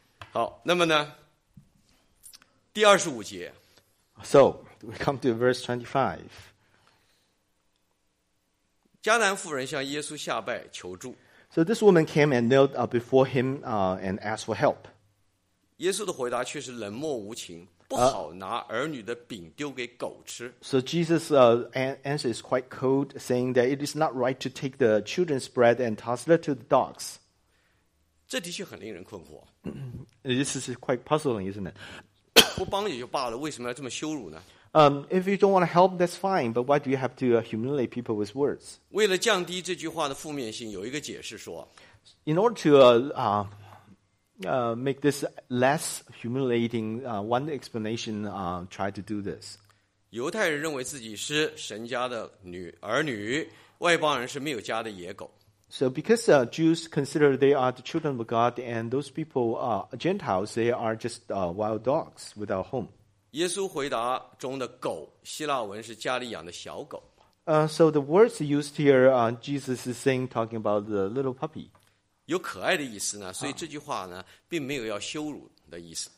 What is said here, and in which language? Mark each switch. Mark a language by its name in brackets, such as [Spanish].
[Chinese] 好，那么呢，第二十五节。 [English] So, we come to verse 25. [Chinese] 迦南妇人向耶稣下拜求助。 [English] So this woman came and knelt before him and asked for help. [Chinese] 耶稣的回答却是冷漠无情，不好拿儿女的饼丢给狗吃。 [English] So Jesus' answer is quite cold, saying that it is not right to take the children's bread and toss it to the dogs. [Chinese] 这的确很令人困惑。 [English] This is quite puzzling, isn't it? [Chinese] 不帮也就罢了，为什么要这么羞辱呢？ [English] If you don't want to help, that's fine. But why do you have to humiliate people with words? [Chinese] 为了降低这句话的负面性，有一个解释说 [English] ，In order to make this less humiliating, one explanation try to do this. [Chinese] 犹太人认为自己是神家的女儿女，外邦人是没有家的野狗。 [English] So because Jews consider they are the children of God, and those people are Gentiles, they are just wild dogs without home. [Chinese] 耶稣回答中的狗，希腊文是家里养的小狗。 [English] So the words used here, Jesus is saying, talking about the little puppy. [Chinese] 有可爱的意思呢，所以这句话呢，并没有要羞辱的意思。